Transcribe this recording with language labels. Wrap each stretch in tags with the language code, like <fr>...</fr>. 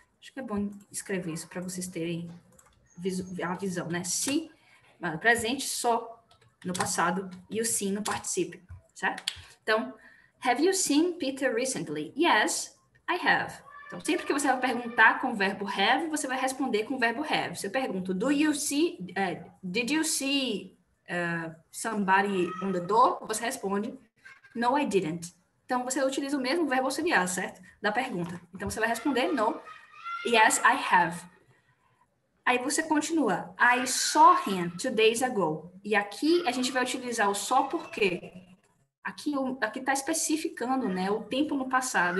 <pt>Acho que é bom escrever isso para vocês terem a visão, né? See no presente, só no passado e o seen no participio, certo?</pt> <en>Então, have you seen Peter recently? Yes, I have.</en> <pt>Então, sempre que você vai perguntar com o verbo have, você vai responder com o verbo have. Se eu pergunto,</pt> <en>do you see, did you see somebody on the door,</en> <pt>você responde,</pt> <en>no, I didn't.</en> <pt>Então, você utiliza o mesmo verbo auxiliar, certo? Da pergunta. Então, você vai responder,</pt> <en>no, yes, I have.</en> <pt>Aí você continua,</pt> <en>I saw him 2 days ago.</en> <pt>E aqui a gente vai utilizar o só porque. Aqui está especificando, né, o tempo no passado.</pt>